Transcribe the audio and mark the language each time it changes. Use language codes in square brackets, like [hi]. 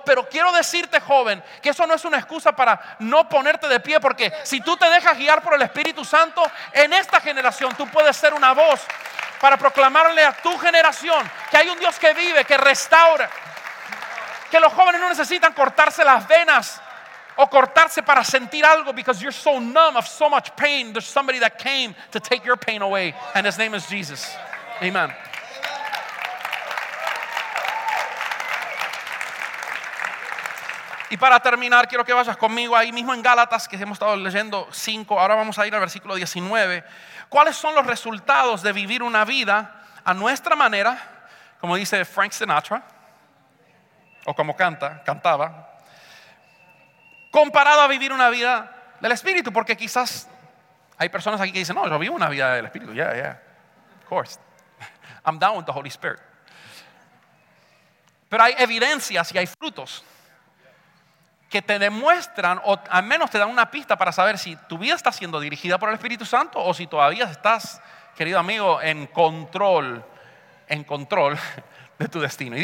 [es] Pero quiero decirte, joven, que eso no es una excusa para no ponerte de pie, porque si tú te dejas guiar por el Espíritu Santo, en esta generación tú puedes ser una voz para proclamarle a tu generación que hay un Dios que vive, que restaura, que los jóvenes no necesitan cortarse las venas o cortarse para sentir algo. [en] Because you're so numb of so much pain, there's somebody that came to take your pain away, and his name is Jesus. Amen. [es] Y para terminar, quiero que vayas conmigo ahí mismo en Gálatas, que hemos estado leyendo 5. Ahora vamos a ir al versículo 19. ¿Cuáles son los resultados de vivir una vida a nuestra manera, como dice Frank Sinatra, o como cantaba, comparado a vivir una vida del Espíritu? Porque quizás hay personas aquí que dicen: no, yo vivo una vida del Espíritu. [en] Yeah, yeah, of course, I'm down with the Holy Spirit. [es] Pero hay evidencias y hay frutos que te demuestran, o al menos te dan una pista para saber si tu vida está siendo dirigida por el Espíritu Santo o si todavía estás, querido amigo, en control de tu destino.